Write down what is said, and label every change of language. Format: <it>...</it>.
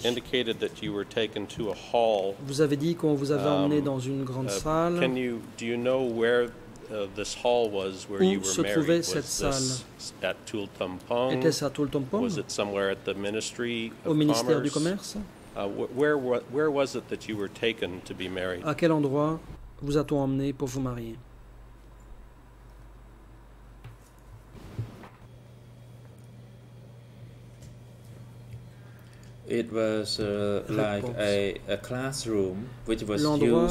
<en>You indicated that you were taken to a hall.</en> <fr>Vous avez dit qu'on vous avait emmené dans une grande salle.</fr> <en>Can you, do you know where this hall was where</en> <fr>où</fr> <en>you were</en> <fr>se trouvait cette salle?</fr> <en>At Tultumpong?</en> <fr>Était-ce à Tultumpong?</fr> <en>Was it somewhere at the Ministry of</en> <fr>Commerce? Au ministère du commerce?</fr> <en>Where was it that you were taken to be married?</en> <fr>À quel endroit vous a-t-on emmené pour vous marier?</fr> <en>It was like a classroom which was</en> <fr>l'endroit</fr>